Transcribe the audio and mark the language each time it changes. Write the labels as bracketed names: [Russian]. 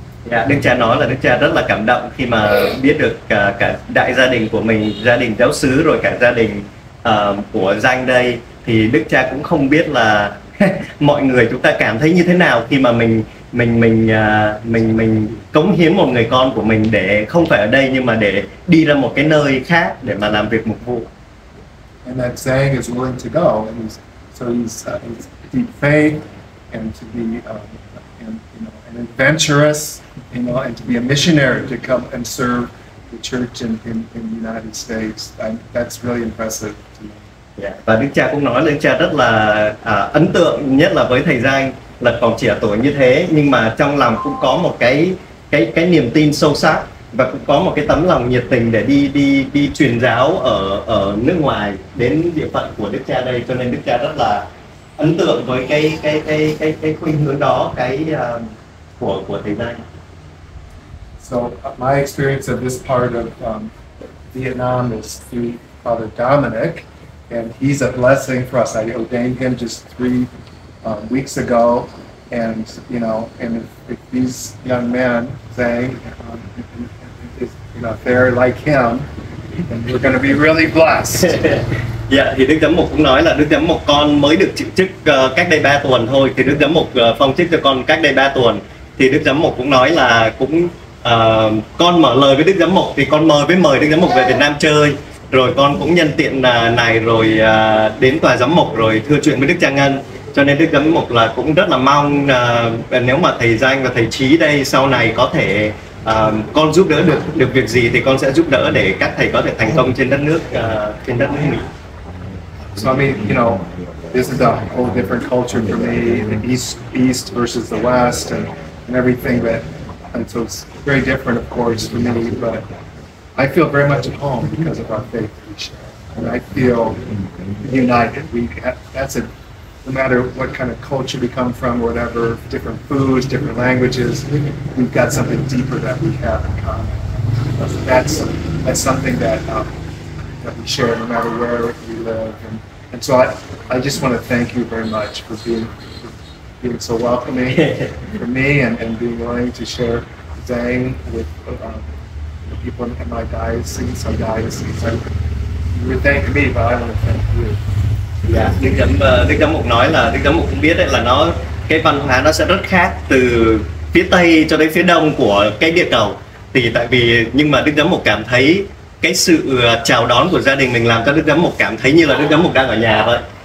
[Vietnamese] Yeah, Đức Cha nói là Đức Cha rất là cảm động khi mà biết được cả đại gia đình của mình, gia đình giáo xứ rồi cả gia đình của Giang đây, thì Đức Cha cũng không biết là mọi người chúng ta cảm thấy như thế nào khi mà mình cống hiến một người con của mình để không phải ở đây nhưng mà để đi ra một cái nơi khác để mà làm việc mục vụ. [English] And that Giang is willing to go, and he's deep faith and to be an adventurous, and to be a missionary to come and serve the church in the United States. And that's really impressive to me. Yeah. [Vietnamese] Và Đức Cha cũng nói là Đức Cha rất là ấn tượng, nhất là với thầy Giang là còn trẻ tuổi như thế, nhưng mà trong lòng cũng có một cái niềm tin sâu sắc và cũng có một cái tấm lòng nhiệt tình để đi truyền giáo ở nước ngoài đến địa phận của Đức Cha đây, cho nên Đức Cha rất là ấn tượng với cái khuynh hướng đó, của thầy Giang. [English] So my experience of this part of Vietnam is through Father Dominic, and he's a blessing for us. I ordained him just 3 weeks ago, and if these young men, Giang, if they're like him, then we're going to be really blessed. [Vietnamese] Yeah, thì Đức Giám Mục cũng nói là Đức Giám Mục con mới được chịu chức cách đây 3 tuần thôi, thì Đức Giám Mục phong chức cho con cách đây 3 tuần, thì Đức Giám Mục cũng nói là cũng con mở lời với Đức Giám Mục thì con mời Đức Giám Mục về Việt Nam chơi, rồi con cũng nhân tiện này rồi đến tòa Giám Mục rồi thưa chuyện với Đức Cha Ngân, cho nên Đức Giám Mục là cũng rất là mong nếu mà thầy Giang và thầy Trí đây sau này có thể con giúp đỡ được việc gì thì con sẽ giúp đỡ để các thầy có thể thành công trên đất nước Mỹ. [English] So I mean, this is a whole different culture for me, the East versus the West and everything, and so it's very different, of course, for me, but I feel very much at home because of our faith, and I feel united. No matter what kind of culture we come from, whatever, different foods, different languages, we've got something deeper that we have in common. That's something that we share no matter where we live. And so I just want to thank you very much for being so welcoming for me and being willing to share Zhang with the people in my diocese, our diocese. You would thank me, but I want to thank you. Yeah. [Vietnamese] Đức Giám Mục nói là Đức Giám Mục cũng biết đấy, là nó cái văn hóa nó sẽ rất khác từ phía Tây cho đến phía Đông của cái địa cầu. Nhưng mà Đức Giám Mục cảm thấy cái sự chào đón của gia đình mình làm cho Đức Giám Mục cảm thấy như là Đức Giám Mục đang ở nhà vậy.